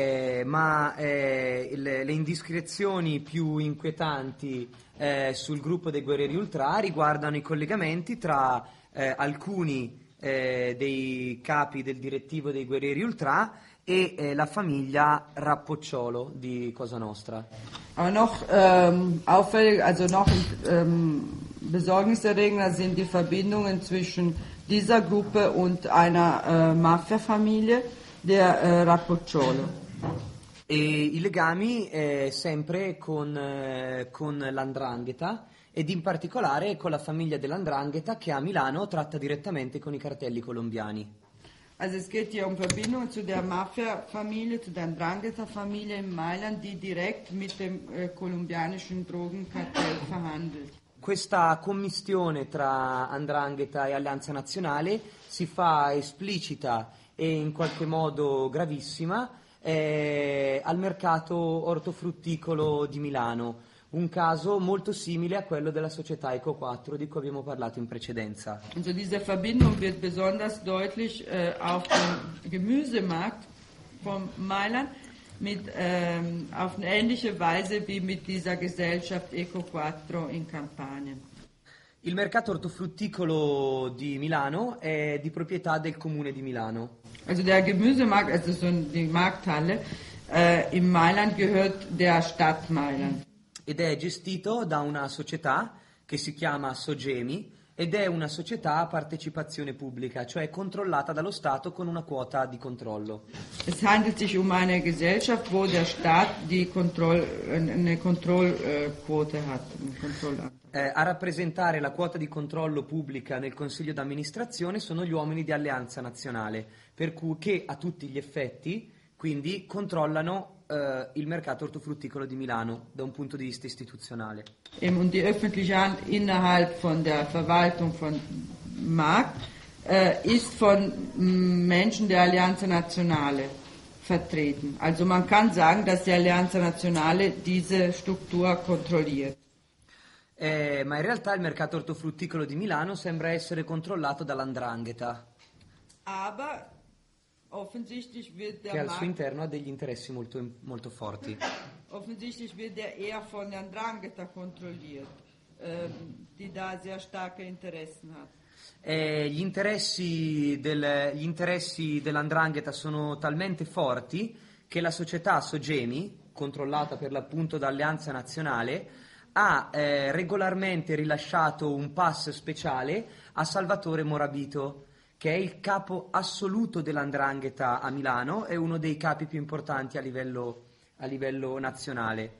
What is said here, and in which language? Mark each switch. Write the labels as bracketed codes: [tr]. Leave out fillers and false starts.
[it] Le indiscrezioni più inquietanti sul gruppo dei guerrieri ultra riguardano i collegamenti tra alcuni dei capi del direttivo dei guerrieri ultra e la famiglia Rappocciolo di Cosa Nostra. [de] Aber noch auffällig, also noch besorgniserregender sind die Verbindungen zwischen dieser Gruppe und einer Mafia-Familie. Der Rappocciolo. [it] E i legami sempre con l'Andrangheta ed in particolare con la famiglia dell'Andrangheta che a Milano tratta direttamente con i cartelli colombiani. [de] Also es geht hier um Verbindung zu der Mafia-Familie, zu der Andrangheta-Familie in Mailand, die direkt mit dem kolumbianischen Drogenkartell verhandelt. [it] Questa commistione tra Andrangheta e Alleanza Nazionale si fa esplicita e in qualche modo gravissima, al mercato ortofrutticolo di Milano, un caso molto simile a quello della società Eco 4 di cui abbiamo parlato in precedenza. [de] Also diese Verbindung wird besonders deutlich auf dem Gemüsemarkt von Mailand mit auf eine ähnliche Weise wie mit dieser Gesellschaft Eco 4 in Campania. [it] Il mercato ortofrutticolo di Milano è di proprietà del comune di Milano. [de] Also der Gemüsemarkt, also so die Markthalle, in Mailand gehört der Stadt Mailand. [it] Ed è gestito da una società che si chiama Sogemi ed è una società a partecipazione pubblica, cioè controllata dallo Stato con una quota di controllo. [de] Es handelt sich um eine Gesellschaft, wo der Staat eine Kontrollquote hat. [it] A rappresentare la quota di controllo pubblica nel Consiglio d'amministrazione sono gli uomini di Alleanza Nazionale, per cui che a tutti gli effetti quindi controllano il mercato ortofrutticolo di Milano da un punto di vista istituzionale. [de] Und die öffentliche Hand innerhalb von der Verwaltung von Markt ist von Menschen der Allianz Nazionale vertreten. Also man kann sagen, dass die Allianz Nazionale diese Struktur kontrolliert. [it] Ma in realtà il mercato ortofrutticolo di Milano sembra essere controllato dall''Ndrangheta. [de] Aber offensichtlich wird der [it] che al suo interno ha degli interessi molto, molto forti. [de] Offensichtlich wird er eher von der Ndrangheta kontrolliert, die da sehr starke Interessen hat. [it] Gli interessi dell'Ndrangheta sono talmente forti che la società Sogemi, controllata per l'appunto da Alleanza Nazionale, ha regolarmente rilasciato un pass speciale a Salvatore Morabito, che è il capo assoluto dell'Ndrangheta a Milano e uno dei capi più importanti a livello nazionale.